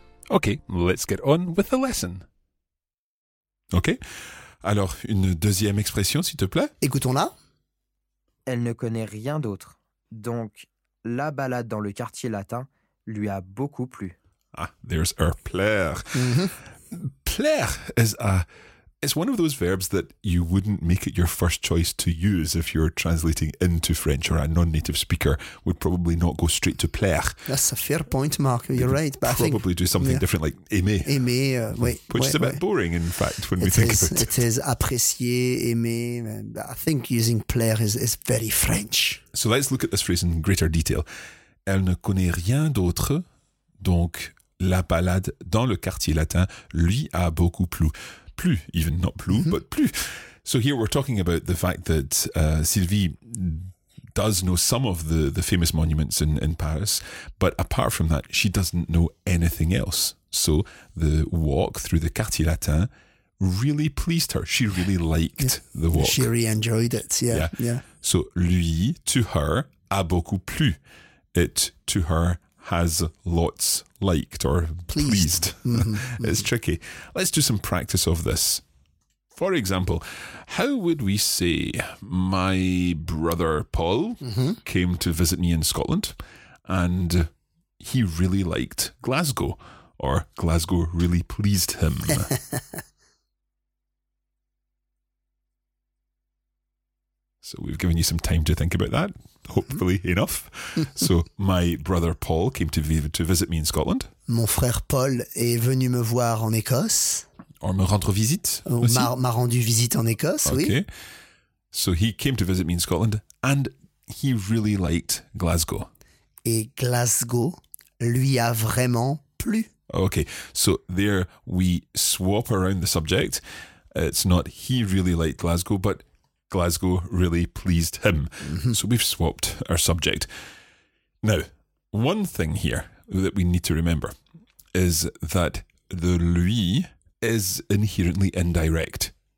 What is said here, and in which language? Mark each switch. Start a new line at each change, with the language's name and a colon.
English: Okay, let's get on with the lesson. Ok.
French: Alors, une deuxième expression, s'il te plaît. Écoutons-la. Elle ne connaît rien d'autre. Donc, la balade dans le quartier latin lui a beaucoup plu.
English: Ah, there's her plaire. Mm-hmm. Plaire is a... It's one of those verbs that you wouldn't make it your first choice to use if you're translating into French, or a non-native speaker would probably not go straight to plaire. That's a fair point, Mark. You're right. But probably do something different like aimer. Aimer, which is a bit boring, in fact, when we think about it. It is apprécier, aimer. I think using plaire is very French. So let's look at this phrase in greater detail.
French: Elle ne connaît rien d'autre, donc la balade dans le quartier latin lui a beaucoup plu.
English: Plus, even not plus, but plus. So here we're talking about the fact that Sylvie does know some of the famous monuments in Paris, but apart from that, she doesn't know anything else. So the walk through the Quartier Latin really pleased her. She really liked the walk. She really enjoyed it, yeah. So lui, to her,
French: a beaucoup plu.
English: It, to her, has lots liked or pleased. It's tricky. Let's do some practice of this. For example, how would we say, my brother Paul came to visit me in Scotland and he really liked Glasgow, or Glasgow really pleased him. So we've given you some time to think about that, hopefully enough. So my brother Paul came to visit me in Scotland.
French: Mon frère Paul est venu me voir en Écosse. Or me rendre visite aussi. M'a rendu visite en Écosse,
English: okay.
French: Oui.
English: So he came to visit me in Scotland and he really liked Glasgow.
French: Et Glasgow lui a vraiment plu.
English: Okay, so there we swap around the subject. It's not he really liked Glasgow, but Glasgow really pleased him. Mm-hmm. So we've swapped our subject. Now, one thing here that we need to remember is that the lui is inherently indirect.